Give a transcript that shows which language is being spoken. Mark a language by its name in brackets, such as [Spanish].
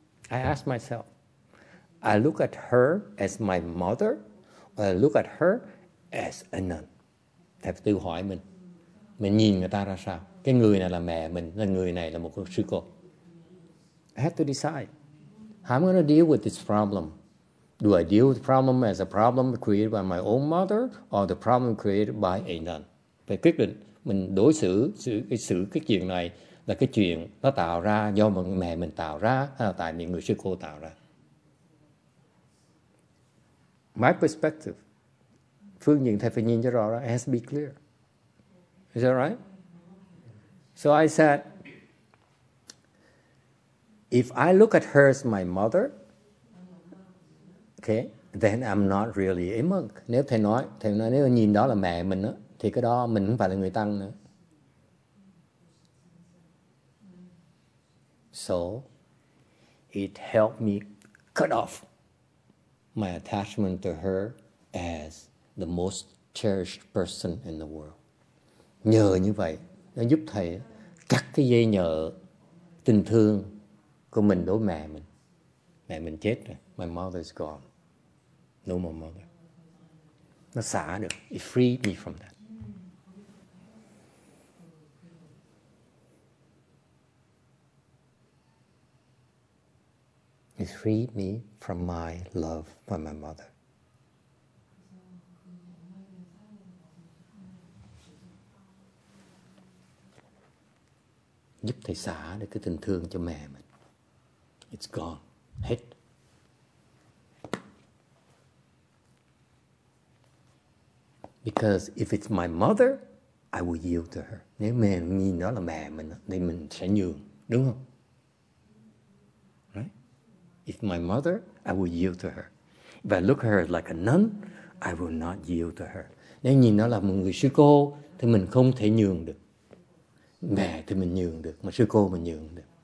[English] I ask myself. I look at her as my mother or I look at her as a nun? [Vietnamese] Thầy phải tự hỏi mình. mình nhìn người ta ra sao? Cái người này là mẹ mình, là người này là một sư cô. [English] I have to decide. How am I going to deal with this problem? Do I deal with the problem as a problem created by my own mother or the problem created by a nun? [Vietnamese] Phải quyết định mình đối xử, xử cái chuyện này là cái chuyện nó tạo ra do mẹ mình tạo ra hay là tại những người sư cô tạo ra? [English] My perspective, [Vietnamese] phương diện thầy phải nhìn cho rõ ra, [English] it has to be clear. Is that right? So I said, if I look at her as my mother, okay, then I'm not really a monk. [Vietnamese] Nếu thầy nói nếu nhìn đó là mẹ mình đó, thì cái đó mình không phải là người tăng nữa. [English] So, it helped me cut off my attachment to her as the most cherished person in the world. [Vietnamese] Nhờ như vậy, nó giúp thầy cắt cái dây nhợ tình thương của mình đối mẹ mình. Mẹ mình chết rồi. [English] My mother is gone. No more mother. [Vietnamese] Nó xả được. [English] It freed me from that. It freed me from my love for my mother. [Vietnamese] Giúp thầy xả được cái tình thương cho mẹ mình. [English] It's gone. [Vietnamese] Hết. [English] Because if it's my mother, I will yield to her. [Vietnamese] Nếu mẹ nhìn đó là mẹ mình, thì mình sẽ nhường. Đúng không? [English] If my mother, I will yield to her. If I look at her like a nun, I will not yield to her. [Vietnamese] Nếu nhìn nó là một người sư cô, thì mình không thể nhường được. Mẹ thì mình nhường được, mà sư cô mình nhường được.